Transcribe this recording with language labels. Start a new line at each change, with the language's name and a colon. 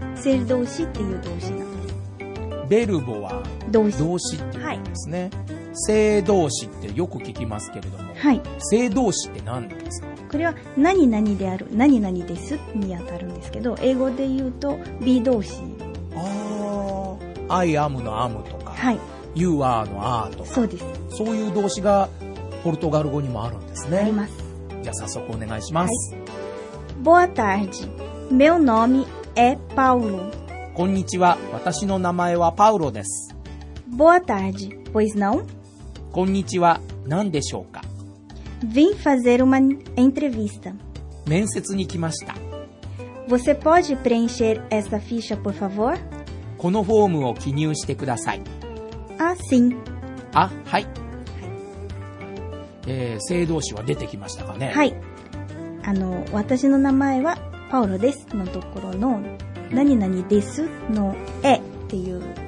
Japanese: ser 動詞っていう動詞なんです。 Verbo は動詞、動詞っていうんですね。はい、正動詞ってよく聞きますけれども、はい、正動詞って何ですか。これは何々である、何々ですに当たるんですけど、英語で言うと be 動詞。ああ、I am の am とか、はい、 you are の are とか、そうです。そういう動詞がポルトガル語にもあるんですね。あります。じゃあ早速お願いします。
Portuguese: はい、Boa tarde, meu nome é Paulo。
Japanese: こんにちは、私の名前はパウロです。
Portuguese: Boa tarde, pois não?
Japanese: こんにちは、何でしょうか。
Portuguese: Vim fazer uma entrevista。
Japanese: 面接に来ました。
Portuguese: Você pode preencher essa ficha, por favor?
Japanese: このフォームを記入してください。
Portuguese: Ah, sim。
Japanese: あ、はい。正動詞は出てきましたかね。はい、あの、私の名前はパウロですのところの何々ですのえっていう、